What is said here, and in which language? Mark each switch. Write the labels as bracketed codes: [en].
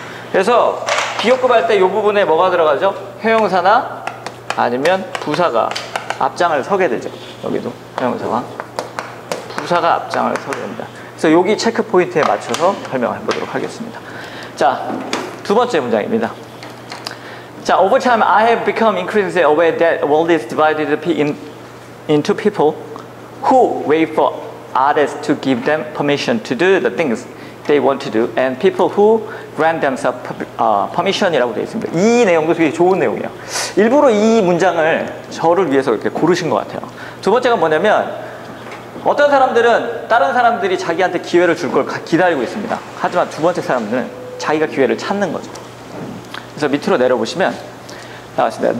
[ko] 그래서 비교급 할 때 이 부분에 뭐가 들어가죠? 형용사나 아니면 부사가 앞장을 서게 되죠. 여기도 형용사와 부사가 앞장을 서게 됩니다. 그래서 여기 체크 포인트에 맞춰서 설명해보도록 하겠습니다. 자, 두 번째 문장입니다. [en] 자, over time, I have become increasingly aware that world is divided into people who wait for others to give them permission to do the things they want to do and people who grant themselves permission [ko] 이라고 되어 있습니다. 이 내용도 되게 좋은 내용이에요. 일부러 이 문장을 저를 위해서 이렇게 고르신 것 같아요. 두 번째가 뭐냐면 어떤 사람들은 다른 사람들이 자기한테 기회를 줄 걸 기다리고 있습니다. 하지만 두 번째 사람들은 자기가 기회를 찾는 거죠. 그래서 밑으로 내려보시면 나왔습니다.